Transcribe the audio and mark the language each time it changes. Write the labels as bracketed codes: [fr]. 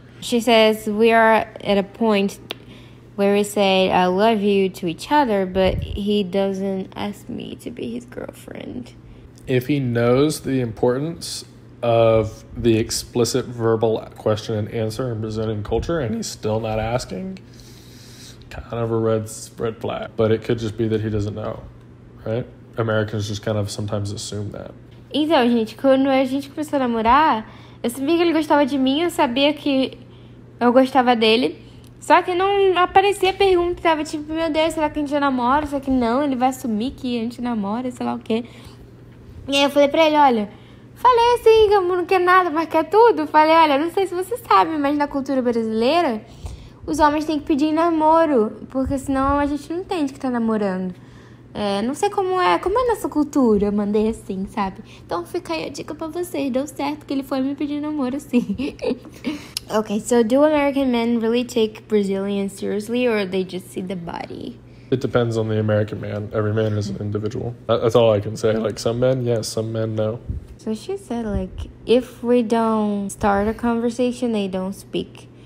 [en] She says, we are at a point where we say, I love you to each other, but he doesn't ask me to be his girlfriend. If he knows the importance of the explicit verbal question and answer in Brazilian culture and he's still not asking, kind of a red flag. But it could just be that he doesn't know, right? Americans just kind of sometimes assume that. [pt] Então, gente, quando a gente começou a namorar, eu sabia que ele gostava de mim, eu sabia que eu gostava dele. Só que não aparecia pergunta, tava tipo, meu Deus, será que a gente já namora? Será que não? Ele vai assumir que a gente namora, sei lá o quê. E aí eu falei pra ele, olha, falei assim, não quer nada, mas quer tudo. Falei, olha, não sei se você sabe, mas na cultura brasileira, os homens têm que pedir namoro, porque senão a gente não entende que tá namorando. É, não sei como é nessa cultura, mandei assim, sabe? Então fica aí a dica pra vocês, deu certo que ele foi me pedir namoro assim. [en] Okay, so do American men really take Brazilians seriously, or they just see the body? It depends on the American man. Every man is an individual. That's all I can say. Like, some men, yes, some men, no. So she said, like, if we don't start a conversation, they don't speak.